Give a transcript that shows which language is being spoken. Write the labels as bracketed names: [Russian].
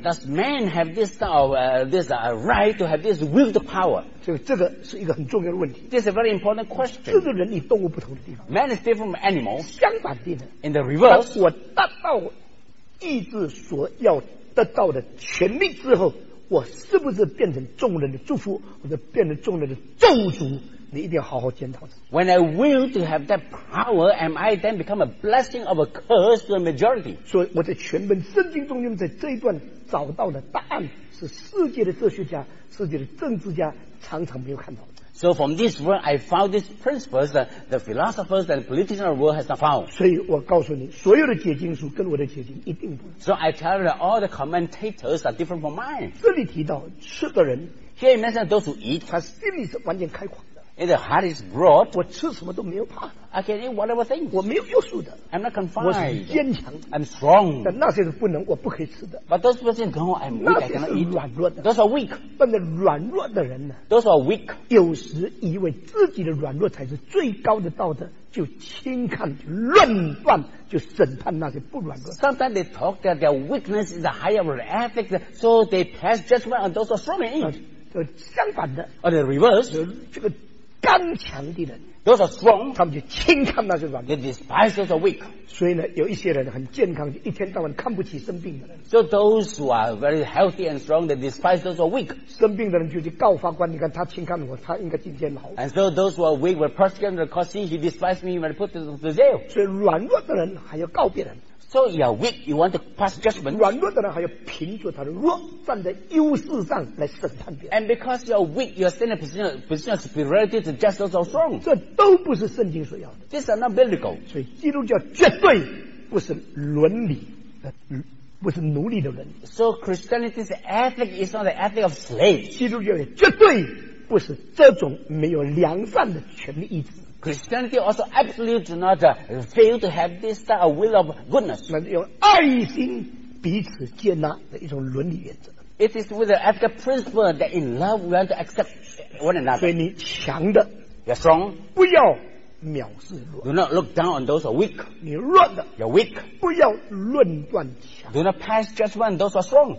[English] ？Does man have this right to have this will to power？ [Chinese] 这个是一个很重要的问题。 [English] This is a very important question。 [Chinese] 这个人与动物不同的地方。 [English] Man is different from animals。 [Chinese] 相反地呢 [English] ？In the reverse， [Chinese] 当我达到意志所要得到的权利之后，我是不是变成众人的祝福，或者变成众人的咒诅？你一定要好好检讨。 [English] When I will to have that power, am I then become a blessing or a curse to the majority? [Chinese] 所以我在全本圣经中用在这一段找到的答案是世界的哲学家、世界的政治家常常没有看到的。 [English] So from this world, I found these principles that the philosophers and politicians of the world has not found. [Chinese] 所以我告诉你，所有的解经书跟我的解经一定不同。 [English] So I tell you that all the commentators are different from mine. [Chinese] 这里提到吃的人 [English] ，Here it mentions those who eat, [Chinese] 他心里是完全开阔。 [English] And the heart is broad. [Chinese] 我吃什么都没有怕。 [English] I can eat whatever thing. [Chinese] 我没有约束的。 [English] I'm not confined. [Chinese] 我是坚强。 [English] I'm strong. [Chinese] 但那些是不能，我不可以吃的。 [English] But those persons don't know I'm weak. I cannot eat. [Chinese] 那些是软弱的。 [English] Those are weak. [Chinese] 但是软弱的人呢 [English] ？Those are weak. [Chinese] 有时以为自己的软弱才是最高的道德，就轻看、就论断、就审判那些不软弱的。 [English] Sometimes they talk that their weakness is the higher ethics, so they pass judgment on those who are strong. [Chinese] 就相反的。 [English] Or the reverse. [Chinese] 这个。刚强的人 [English] ，those are strong， [Chinese] 他们就轻看那些软弱 [English] ，they despise those weak。 [Chinese] 所以呢，有一些人很健康，就一天到晚看不起生病的人。 [English] So those who are very healthy and strong, they despise those who are weak。 [Chinese] 生病的人就去告法官，你看他轻看我，他应该进监牢。 [English] And so those who are weak will prosecute the court saying he despised me when I put him to jail。 [Chinese] 所以软弱的人还要告别人。 [English] So you are weak, you want to pass judgment. [Chinese] 软弱的人还要凭着他的弱，站在优势上来审判别人。 [English] And because you are weak, you are standing in a position of superiority to judge those who are strong. [Chinese] 这都不是圣经所要的。 [English] These are not biblical. [Chinese] 所以基督教绝对不是伦理，不是奴隶的伦理。 [English] So Christianity's ethic is not the ethic of slaves. [Chinese] 基督教也绝对不是这种没有良善的权利意志。 [English] Christianity also absolutely do not fail to have this a will of goodness. [Chinese] 那用爱心彼此接纳的一种伦理原则。 [English] It is with the ethical principle that in love we want to accept one another. [Chinese] 所以你强的 [English] ，you're strong， [Chinese] 不要藐视弱。 [English] Do not look down on those who are weak. [Chinese] 你弱的 [English] ，you're weak， [Chinese] 不要论断强。 [English] Do not pass judgment on those who are strong.